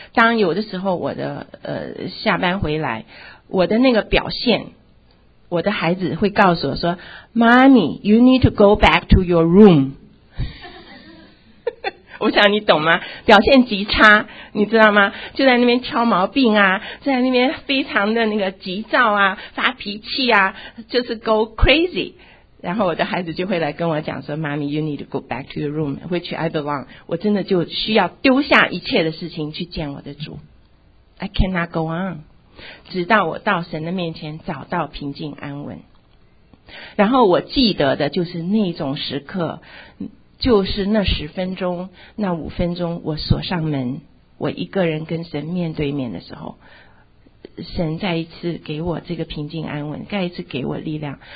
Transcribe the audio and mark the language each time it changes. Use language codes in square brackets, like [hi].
[zh] 当有的时候我的下班回来，我的那个表现，我的孩子会告诉我说 [en] Mommy, you need to go back to your room. [zh] 我想你懂吗？表现极差，你知道吗？就在那边挑毛病啊，在那边非常的那个急躁啊，发脾气啊，就是 [en] go crazy。 [zh] 然后我的孩子就会来跟我讲说 [en] Mommy, you need to go back to your room, which I belong. [zh] 我真的就需要丢下一切的事情去见我的主。 [en] I cannot go on. [zh] 直到我到神的面前找到平静安稳。然后我记得的就是那种时刻，就是那十分钟那五分钟，我锁上门，我一个人跟神面对面的时候，神再一次给我这个平静安稳，再一次给我力量。